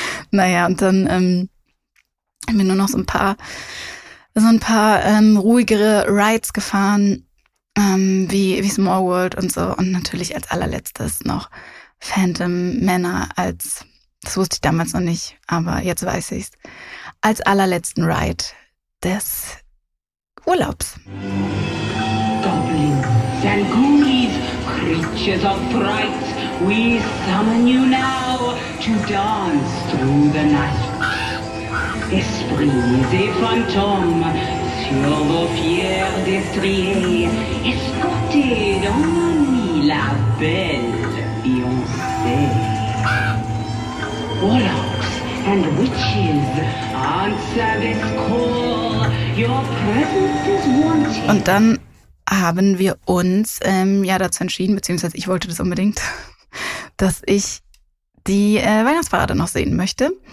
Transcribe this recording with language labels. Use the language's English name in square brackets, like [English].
[German] naja, und dann haben wir nur noch so ein paar ruhigere Rides gefahren, wie Small World und so. Und natürlich als allerletztes noch Phantom Manor als, das wusste ich damals noch nicht, aber jetzt weiß ich's, als allerletzten Ride des Urlaubs. [English] Goblins and Ghoulies, creatures of fright, we summon you now to dance through the night. [French] Esprit des fantômes sur vos fiers destriers, escortez dans la nuit la belle Beyoncée. [English] Warlocks and witches, answer this call, your presence is wanted. [German] Und dann haben wir uns dazu entschieden, beziehungsweise ich wollte das unbedingt, dass ich die Weihnachtsparade noch sehen möchte.